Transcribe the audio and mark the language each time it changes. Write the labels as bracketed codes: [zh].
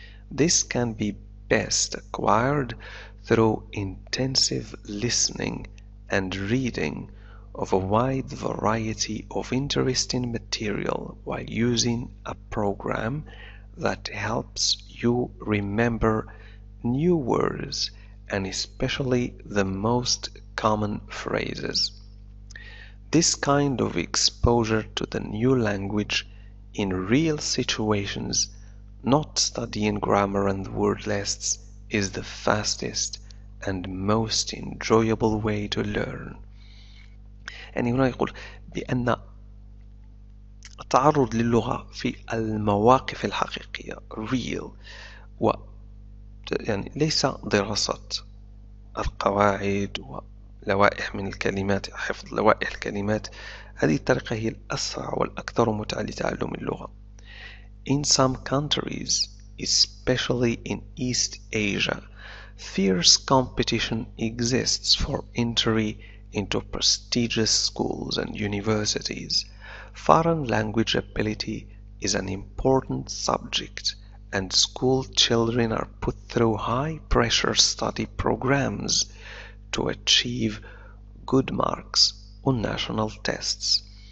[en] This can be best acquired through intensive listening and reading of a wide variety of interesting material while using a program that helps you remember new words and especially the most common phrases. This kind of exposure to the new language in real situations, not studying grammar and word lists, is the fastest and most enjoyable way to learn. [ar] يعني هنا يقول بأن التعرض للغة في المواقف الحقيقية real و يعني ليس دراسة القواعد و لوائح من الكلمات، حفظ لوائح الكلمات. هذه الطريقة هي الأسرع والأكثر متعة لتعلم اللغة. [en] In some countries, especially in East Asia, fierce competition exists for entry into prestigious schools and universities. Foreign language ability is an important subject, and school children are put through high-pressure study programs to achieve good marks on national tests.